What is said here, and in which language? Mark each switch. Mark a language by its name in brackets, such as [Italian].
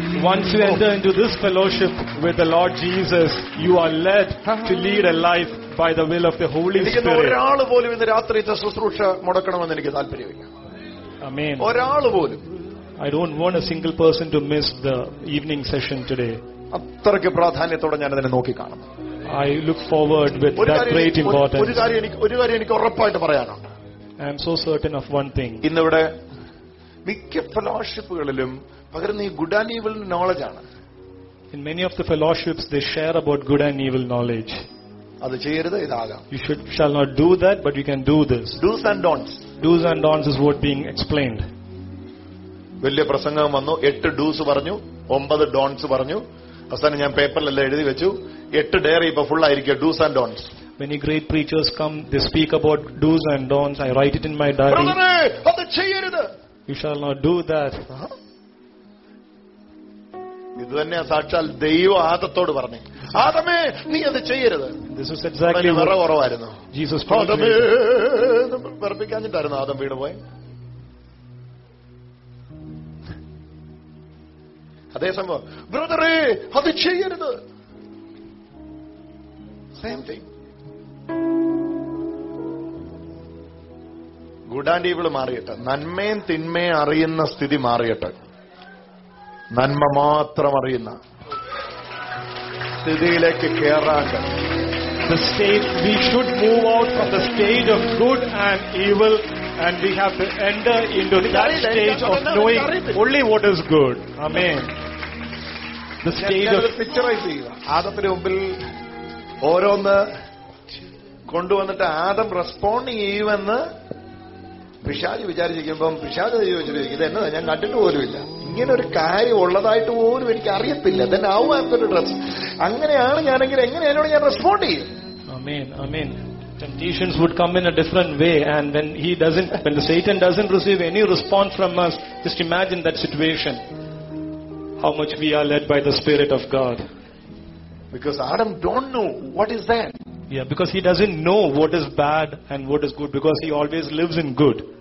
[English] Once you enter into this fellowship with the Lord Jesus, you are led to lead a life by the will of the Holy Spirit. [Malayalam] ഇതിന് ഒരാൾ പോലും ഇന്ന് രാത്രിയിലത്തെ ശുശ്രൂഷ മുടക്കണമെന്ന് എനിക്ക് താല്പര്യമില്ല. [English] Amen. [Malayalam] ഒരാൾ പോലും. [English] I don't want a single person to miss the evening session today. [Malayalam] അത്രയ്ക്ക് പ്രാധാന്യത്തോടെ ഞാൻ അതിനെ നോക്കി കാണും. [English] I look forward with that great importance. [Malayalam] ഒരു കാര്യം എനിക്ക് ഉറപ്പായിട്ട് പറയാനുണ്ട്. [English] I am so certain of one thing. [Malayalam] ഇന്നിവിടെ മിക്ക ഫെലോഷിപ്പുകളിലും പകരുന്ന ഈ ഗുഡ് ആൻഡ് ഈവിൾ നോളജ് ആണ്. [English] In many of the fellowships they share about good and evil knowledge. [Malayalam] അത് ചെയ്യരുത്, ഇതാകാം. [English] You should, shall not do that, but you can do this. Do's and don'ts. Do's and don'ts is what being explained. [Malayalam] വലിയ പ്രസംഗം വന്നു, 8 dos പറഞ്ഞു, 9 dawns പറഞ്ഞു. അവസാനം ഞാൻ പേപ്പറിലെല്ലാം എഴുതി വെച്ചു, 8 ഡയറി ഇപ്പൊ ഫുൾ ആയിരിക്കും dos and don'ts. [English] Many great preachers come, they speak about do's and don'ts. I write it in my diary. Brother, you shall not do that. [Malayalam] ഇതുതന്നെയാ സാക്ഷാൽ ദൈവം ആദത്തോട് പറഞ്ഞു, ആദമേ നീ അത് ചെയ്യരുത്. [English] This is exactly [Malayalam] നിറ കുറവായിരുന്നു. ജീസസ് പറഞ്ഞിട്ടായിരുന്നു ആദം വീട് പോയി. അതേ സംഭവം, ബ്രദറേ അത് ചെയ്യരുത്. [English] Same thing. [Malayalam] Good and evil മാറിയിട്ട്, നന്മയും തിന്മയും അറിയുന്ന സ്ഥിതി മാറിയിട്ട്, നന്മ മാത്രം അറിയുന്ന സ്ഥിതിയിലേക്ക് കേറാൻ. [English] The state, we should move out from the stage of good and evil, and we have to enter into that stage of knowing only what is good. Amen. The stage of [Malayalam] picturize aadathinte munpil oronnu kondu vannitte aadam respond cheyyuvennu പിശാജ് വിചാരിച്ചിരിക്കുമ്പം പിശാജ് ചോദിച്ചിരിക്കും, ഇതെന്നാ ഞാൻ കണ്ടിട്ട് പോലുമില്ല, ഇങ്ങനെ ഒരു കാര്യം ഉള്ളതായിട്ട് പോലും എനിക്ക് അറിയത്തില്ല, [English] Then how am I going to respond. [Malayalam] അങ്ങനെയാണ് ഞാനെങ്കിൽ എങ്ങനെ എന്നോട് ഞാൻ റെസ്പോണ്ട് ചെയ്യും? ആമേൻ ആമേൻ. [English] Temptations would come in a different way, and when he doesn't, when the Satan doesn't receive any response from us, just imagine that situation, how much we are led by the Spirit of God. Because Adam don't know what is that. Yeah, because he doesn't know what is bad and what is good, because he always lives in good.